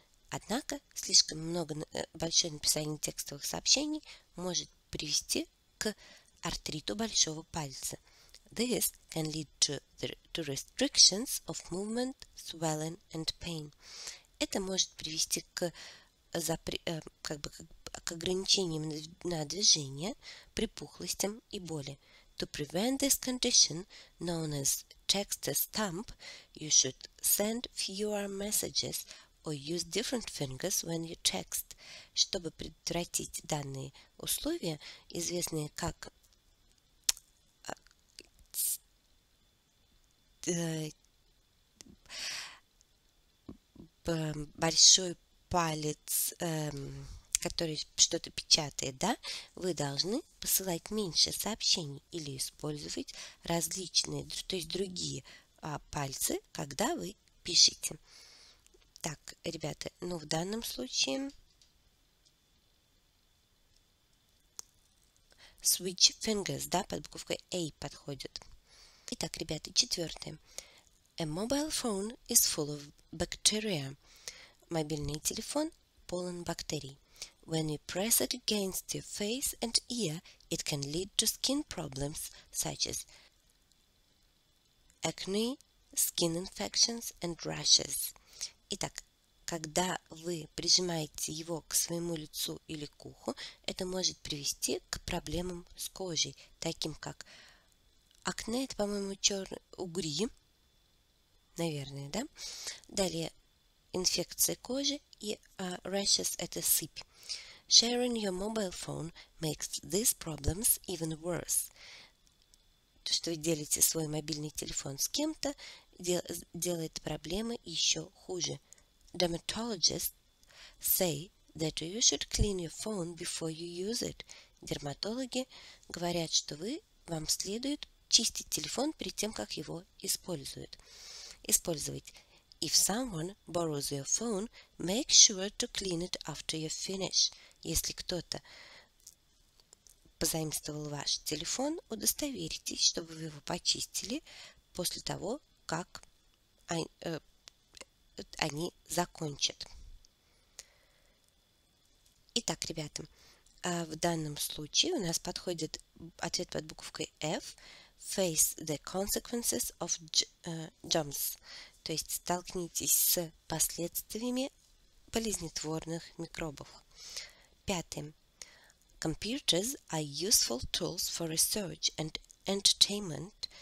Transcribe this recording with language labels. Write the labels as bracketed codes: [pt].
[ru] Однако, слишком много большое написание текстовых сообщений может привести к артриту большого пальца. [en] This can lead to restrictions of movement, swelling and pain. [ru] Это может привести к ограничениям на движение, припухлостям и боли. [en] To prevent this condition, known as text stamp, you should send fewer messages or use different fingers when you text. [ru] Чтобы предотвратить данные условия, известные как большой палец, который что-то печатает, да, вы должны посылать меньше сообщений или использовать различные, то есть другие пальцы, когда вы пишете. Так, ребята, ну в данном случае switch fingers, да, под буковкой A подходит. Итак, ребята, четвертое. [en] A mobile phone is full of bacteria. [ru] Мобильный телефон полон бактерий. [en] When you press it against your face and ear, it can lead to skin problems such as acne, skin infections and rashes. [ru] Итак, когда вы прижимаете его к своему лицу или к уху, это может привести к проблемам с кожей, таким как акне, это, по-моему, черные угри, наверное, да? Далее, инфекция кожи и rashes – это сыпь. [en] Sharing your mobile phone makes these problems even worse. [ru] То, что вы делите свой мобильный телефон с кем-то, делает проблемы еще хуже. [en] Dermatologists say that you should clean your phone before you use it. [ru] Дерматологи говорят, что вам следует чистить телефон перед тем, как его использовать. [en] If someone borrows your phone, make sure to clean it after you finish. [ru] Если кто-то позаимствовал ваш телефон, удостоверьтесь, чтобы вы его почистили после того, как они закончат. Итак, ребята, в данном случае у нас подходит ответ под буковкой F. [en] Face the consequences of germs. [ru] То есть столкнитесь с последствиями болезнетворных микробов. Пятое. [en] Computers are useful tools for research and entertainment.